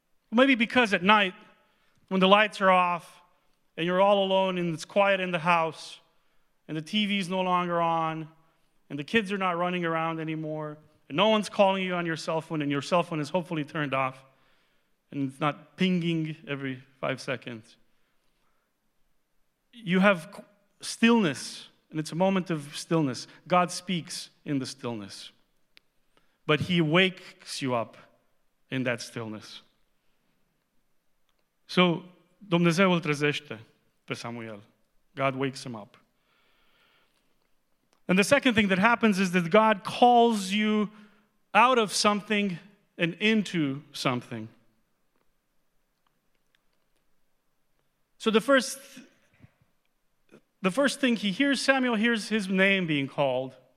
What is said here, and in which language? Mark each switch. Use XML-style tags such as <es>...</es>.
<en>Maybe because at night, when the lights are off, and you're all alone, and it's quiet in the house, and the TV's no longer on, and the kids are not running around anymore, and no one's calling you on your cell phone, and your cell phone is hopefully turned off, and it's not pinging every 5 seconds. You have stillness, and it's a moment of stillness. God speaks in the stillness. But he wakes you up in that stillness.</en> <ro>So, Dumnezeu îl trezește pe Samuel.</ro> <en>God wakes him up. And the second thing that happens is that God calls you out of something and into something. So the first thing he hears, Samuel hears his name being called.</en>